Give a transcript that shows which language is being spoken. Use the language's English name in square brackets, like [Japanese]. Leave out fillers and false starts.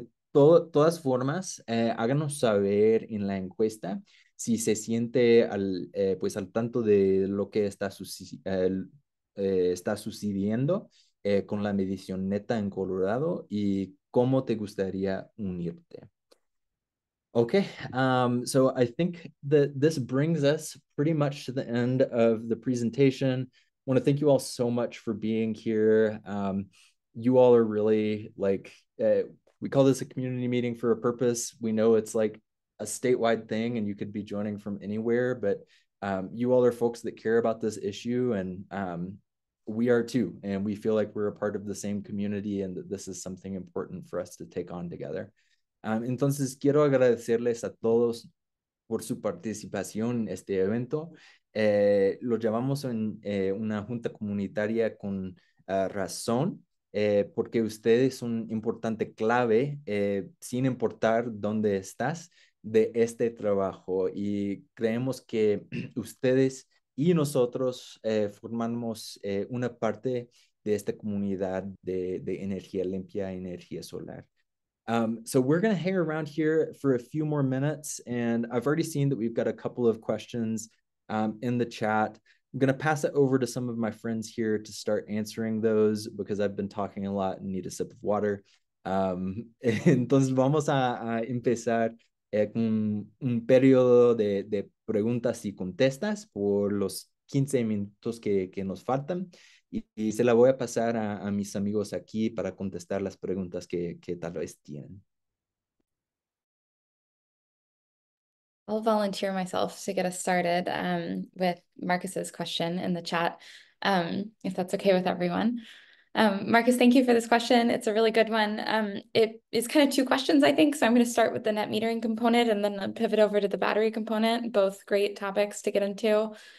[Spanish] Todas formas, háganos saber en la encuesta si se siente al tanto de lo que está sucediendo con la medición neta en Colorado y cómo te gustaría unirte. [English] Okay, so I think that this brings us pretty much to the end of the presentation. I want to thank you all so much for being here. You all are really like... We call this a community meeting for a purpose. We know it's like a statewide thing and you could be joining from anywhere, but you all are folks that care about this issue and we are too. And we feel like we're a part of the same community and that this is something important for us to take on together. [Spanish] Entonces quiero agradecerles a todos por su participación en este evento. Lo llamamos en una junta comunitaria con razón. Porque ustedes son importante clave, sin importar dónde estás, de este trabajo. Y creemos que ustedes y nosotros formamos una parte de esta comunidad de energía limpia, energía solar. [English] So we're going to hang around here for a few more minutes. And I've already seen that we've got a couple of questions in the chat. I'm going to pass it over to some of my friends here to start answering those because I've been talking a lot and need a sip of water. [Spanish] Entonces vamos a empezar con un periodo de preguntas y contestas por los 15 minutos que nos faltan y se la voy a pasar a mis amigos aquí para contestar las preguntas que tal vez tienen. [English] I'll volunteer myself to get us started with Marcus's question in the chat, if that's okay with everyone. Marcus, thank you for this question. It's a really good one. It is kind of two questions, I think. So I'm going to start with the net metering component and then pivot over to the battery component, both great topics to get into.